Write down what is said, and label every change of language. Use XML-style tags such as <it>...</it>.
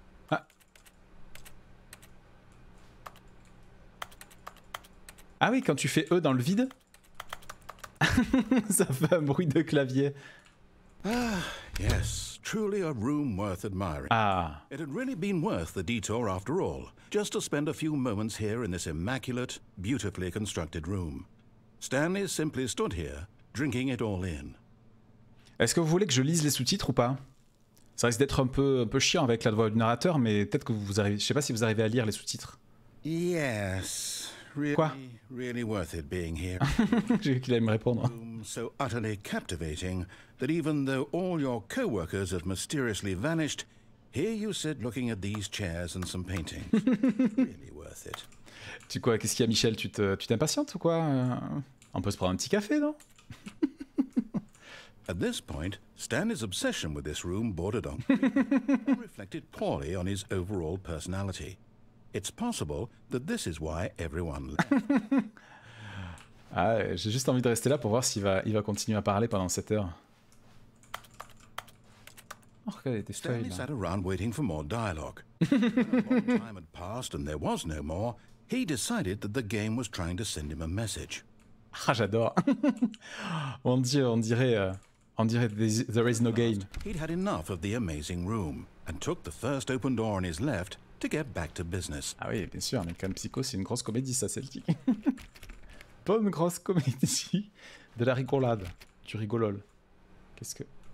<fr>Ah. Ah oui, quand tu fais E dans le vide, ça fait un bruit de clavier.</fr> <en>Ah, yes, truly a room worth admiring. Ah. It had really been worth the detour after all, just to spend a few moments here in this immaculate, beautifully constructed room. Stanley simply stood here, drinking it all in.</en> <fr>Est-ce que vous voulez que je lise les sous-titres ou pas? Ça risque d'être un peu chiant avec la voix du narrateur, mais peut-être que vous arrivez. Je sais pas si vous arrivez à lire les sous-titres.</fr> <en>Yes, really,</en> <fr>quoi?</fr> <en>Really worth it being here.</en> <fr>J'ai cru qu'il allait me répondre.</fr> <en>So utterly captivating that even though all your co-workers have mysteriously vanished, here you sit looking at these chairs and some paintings. Really worth it.</en> <fr>Tu quoi, qu'est-ce qu'il y a, Michel? Tu t'impatientes ou quoi? On peut se prendre un petit café, non?</fr> <en>At this point, Stanley's obsession with this room bordered on reflected poorly on his overall personality. It's possible that this is why everyone left.</en> <fr>Ah, j'ai juste envie de rester là pour voir s'il va, il va continuer à parler pendant 7 heures. Oh, regarde, il est destroyé, là.</fr> <en>Stanley sat around waiting for more dialogue. When a long time had passed and there was no more, he decided that the game was trying to send him a message.</en> <fr>Ah, j'adore. on dirait</fr> <en>there is no game. He'd had enough of the amazing room and took the first open door on his left to get back to business.</en> <fr>Ah oui, bien sûr, mais quand psycho, c'est une grosse comédie, ça, c'est le dit. Bonne grosse comédie de la rigolade, du rigolol. Qu'est-ce que...</fr>